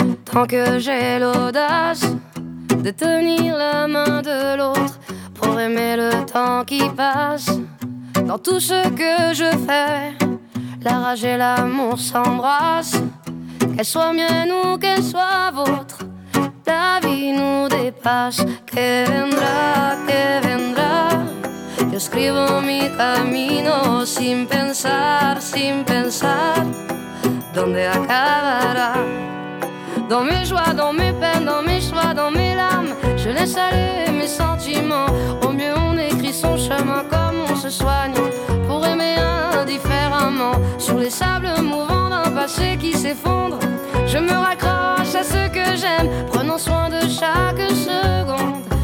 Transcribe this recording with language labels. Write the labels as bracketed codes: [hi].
[fr] Tant que j'ai l'audace de tenir la main de l'autre pour aimer le temps qui passe. Dans tout ce que je fais, la rage et l'amour s'embrassent. Qu'elle soit mienne ou qu'elle soit vôtre, la vie nous dépasse. [es] Que vendrá, yo escribo mi camino sin pensar, dónde acabará. [fr] Dans mes joies, dans mes peines, dans mes choix, dans mes larmes, je laisse aller mes sentiments. Au mieux on écrit son chemin comme on se soigne, pour aimer indifféremment. Sur les sables mouvants d'un passé qui s'effondre, je me raccroche à ce que j'aime, prenant soin de chaque seconde.